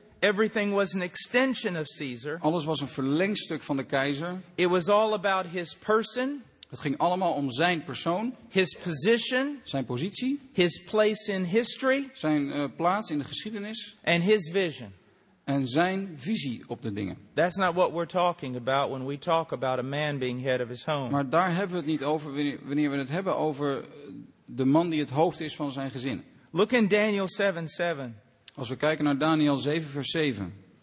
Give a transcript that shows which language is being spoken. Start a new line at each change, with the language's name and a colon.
English: Everything was an extension of Caesar.
Dutch: Alles was een verlengstuk van de keizer.
English: It was all about his person.
Dutch: Het ging allemaal om zijn persoon.
English: His position.
Dutch: Zijn positie.
English: His place in history.
Dutch: Zijn plaats in de geschiedenis.
English: And his vision.
Dutch: En zijn visie op de dingen.
English: That's not what we're talking about when we talk about a man being head of his home.
Dutch: Maar daar hebben we het niet over wanneer we het hebben over de man die het hoofd is van zijn gezin.
English: Look in Daniel 7:7.
Dutch: Als we kijken naar Daniel 7, vers 7.